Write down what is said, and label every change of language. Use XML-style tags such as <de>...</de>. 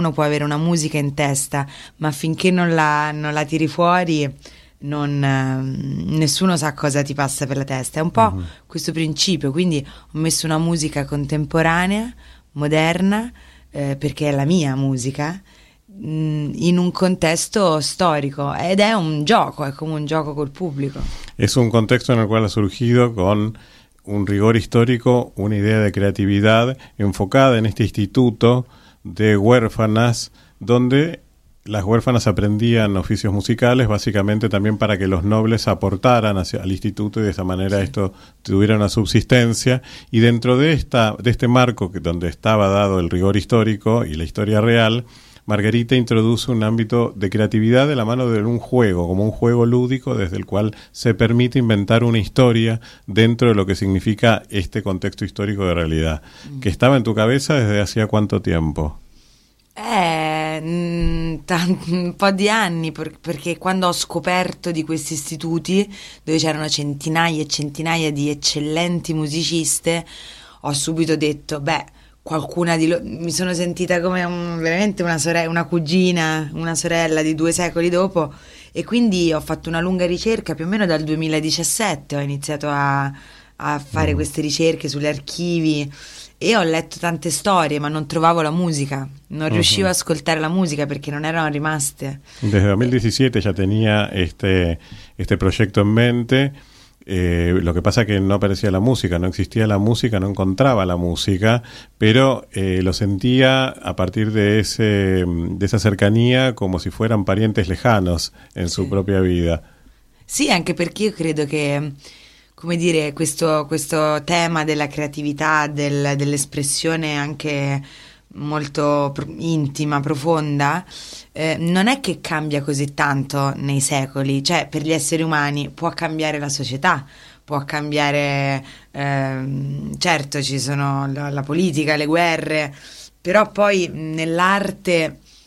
<it>Uno può avere una musica in testa, ma finché non la tiri fuori, nessuno sa cosa ti passa per la testa. È un po' questo principio, quindi ho messo una musica contemporanea, moderna, perché è la mia musica, in un contesto storico, ed è un gioco, è come un gioco col pubblico. È un contesto nel quale ha surgito</it> <es>con un rigor histórico, una idea de creatividad enfocada en este instituto de huérfanas, donde las huérfanas aprendían oficios musicales, básicamente también para que los nobles aportaran al instituto y de esa manera esto tuviera una subsistencia. Y dentro de este marco donde estaba dado el rigor histórico y la historia real, Margarita introduce un ámbito de creatividad de la mano de un juego, como un juego lúdico desde el cual se permite inventar una historia dentro de lo que significa este contexto histórico de realidad. ¿Que estaba en tu cabeza desde hacía cuánto tiempo?</es> <it>Un po' di anni, perché quando ho scoperto di questi istituti, dove c'erano centinaia e centinaia di eccellenti musiciste, ho subito detto: beh, qualcuna di loro, mi sono sentita come veramente una sorella, una cugina, una sorella di due secoli dopo. E quindi ho fatto una lunga ricerca, più o meno dal 2017 ho iniziato a fare queste ricerche sugli archivi, e ho letto tante storie, ma non trovavo la musica, non riuscivo a ascoltare la musica perché non erano rimaste.</it> <es>Desde 2017 già tenía este</es> <it>progetto in mente.</it> <es>Lo que pasa es que no aparecía la música, no existía la música, no encontraba la música, pero lo sentía a partir de esa cercanía como si fueran parientes lejanos en su propia vida.</es> <it>Sí, anche perché io credo che, come dire, questo tema della creatività, dell'espressione anche molto intima, profonda, non è che cambia così tanto nei secoli, cioè per gli esseri umani può cambiare la società, può cambiare, certo ci sono la politica, le guerre, però poi nell'arte</it>